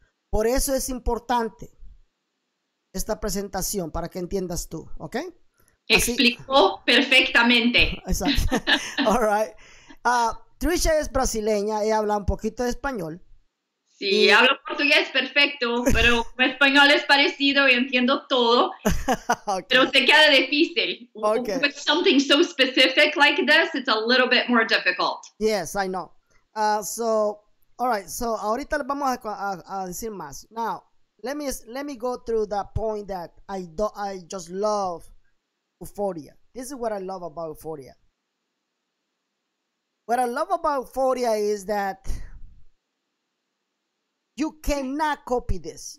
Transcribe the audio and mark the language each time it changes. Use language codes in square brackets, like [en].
[es] Por eso es importante esta presentación, para que entiendas tú, ¿ok? Explicó perfectamente. Exacto. All right. Trisha es brasileña, ella habla un poquito de español. Sí, y... hablo portugués perfecto, pero español es parecido y entiendo todo. Okay. Pero se queda difícil. [en] Okay. With something so specific like this, it's a little bit more difficult. Yes, I know. [es] All right, so ahorita les vamos a decir más. [en] Now, let me go through that point that I just love Uforia. This is what I love about Uforia. What I love about Uforia is that you cannot copy this.